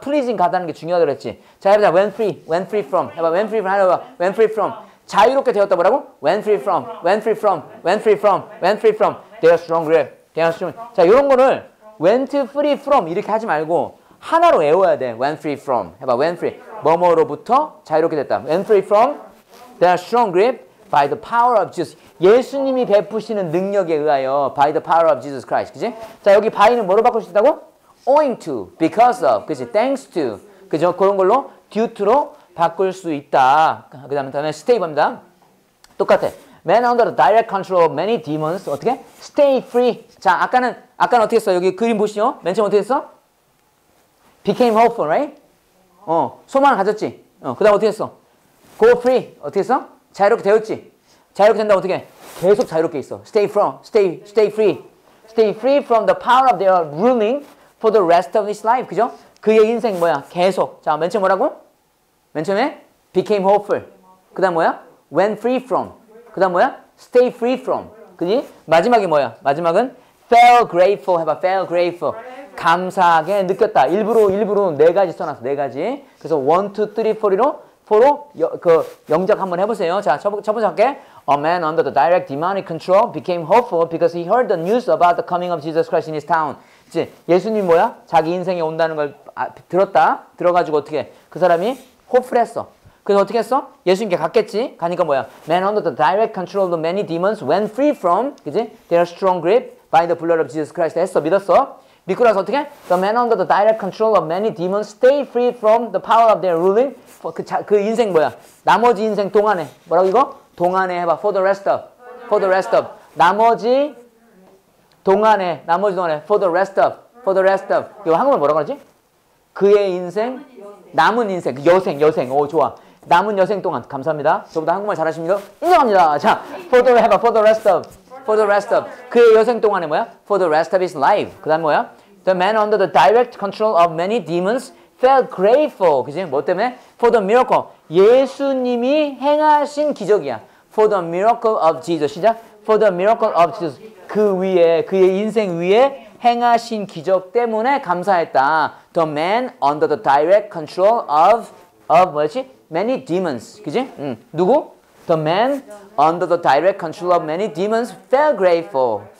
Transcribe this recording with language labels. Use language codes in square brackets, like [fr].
[ko] Pleasing God라는 게 중요하다 그랬지. 자, 해보자. [en] When free. When free from. 해봐. When free from. 해봐. When free from. [ko] 자유롭게 되었다. 뭐라고? [en] When free from. When free from. When free from. When free from. They're strong grip. They're strong. [ko] 자, 이런 거를 [en] went free from. [ko] 이렇게 하지 말고. 하나로 외워야 돼. [en] When free from. [ko] 해봐. [en] When free. [ko] 뭐뭐로부터 자유롭게 됐다. [en] When free from. They are strong grip by the power of Jesus. [ko] 예수님이 베푸시는 능력에 의하여. [en] By the power of Jesus Christ. [ko] 그지? 자, 여기 by는 뭐로 바꿀 수 있다고? [en] Owing to. Because of. [ko] 그지? [en] Thanks to. [ko] 그죠? 그런 걸로 due to로 바꿀 수 있다. 그 다음에 stay 봅니다. 똑같아. [en] Man under the direct control of many demons. [ko] 어떻게? [en] Stay free. [ko] 자, 아까는 어떻게 했어? 여기 그림 보시죠. 맨 처음 어떻게 했어? [en] Became hopeful, right? [ko] 소망을 가졌지. 그 다음 어떻게 했어? Go free. 어떻게 했어? 자유롭게 되었지. 자유롭게 된다고 어떻게 해? 계속 자유롭게 있어. [en] Stay from. Stay free. Stay free from the power of their ruling for the rest of his life. [ko] 그죠? 그의 인생 뭐야? 계속. 자, 맨 처음 뭐라고? 맨 처음에 became hopeful. 그 다음 뭐야? [en] Went free from. [ko] 그 다음 뭐야? [en] Stay free from. [ko] 그지? 마지막이 뭐야? 마지막은 [en] felt grateful. [ko] 해봐. [en] Felt grateful. [ko] 감사하게 느꼈다. 일부러 네 가지 써놨어. 네 가지. 그래서 1, 2, 3, 4로 그 영작 한번 해보세요. 자, 첫 번째 할게. [en] A man under the direct demonic control became hopeful because he heard the news about the coming of Jesus Christ in his town. [ko] 이제 예수님 뭐야? 자기 인생에 온다는 걸 들었다. 들어가지고 어떻게 그 사람이 hopeful했어. 그래서 어떻게 했어? 예수님께 갔겠지. 가니까 뭐야? [en] Man under the direct control of many demons went free from, 그지? Their strong grip by the blood of Jesus Christ. [ko] 했어. 믿었어. 믿고 나서 어떻게? [en] The man under the direct control of many demons stay free from the power of their ruling. [ko] 그 인생 뭐야? 나머지 인생 동안에. 뭐라고 이거? 동안에 해봐. [en] For the rest of. For the rest of. [ko] 나머지 동안에. 나머지 동안에. [en] For the rest of. For the rest of. [ko] 이거 한국말 뭐라고 그러지? 그의 인생? 남은 인생. 여생. 여생. 오, 좋아. 남은 여생 동안. 감사합니다. 저보다 한국말 잘하십니다. 인정합니다. 자, [en] for the, 해봐. For the rest of. For the rest of. [ko] 그의 여생 동안에 뭐야? [en] For the rest of his life. [ko] 그 다음 뭐야? [en] The man under the direct control of many demons felt grateful. [ko] 그지? 뭐 때문에? [en] For the miracle. [ko] 예수님이 행하신 기적이야. [en] For the miracle of Jesus. [ko] 시작. [en] For the miracle of Jesus. [ko] 그 위에, 그의 인생 위에 행하신 기적 때문에 감사했다. [en] The man under the direct control of many demons. [ko] 그지? 누구? [en] The man under the direct control of many demons felt grateful.